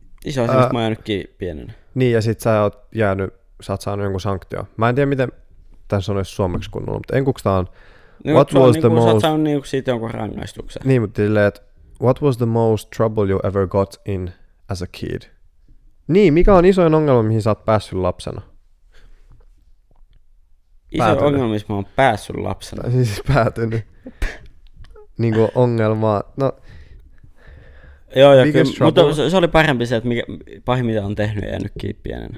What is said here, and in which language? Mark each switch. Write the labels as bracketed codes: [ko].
[fi] Iso asia, mistä mä oon jäänytkin pienenä. Niin, ja sit sä oot jäänyt, sä oot saanut jonkun sanktio. Mä en tiedä, miten tän sanoisi suomeksi kunnolla, mutta enkuks tää on... Niin, [en] what was on, the [fi] niin, most... Sä oot saanut niin kuin siitä jonkun rangaistuksen. Niin, mutta silleen, että... [en] What was the most trouble you ever got in as a kid? [fi] Niin, mikä on isoin ongelma, mihin sä oot päässyt lapsena? Isoin ongelma, mihin mä oon päässyt lapsena? Tai siis päätynyt. Niinku ongelmaa. No, joo, ja kyllä, mutta se oli parempi se, että mikä, pahin mitä on tehnyt ja jäänyt kiinni pienenä.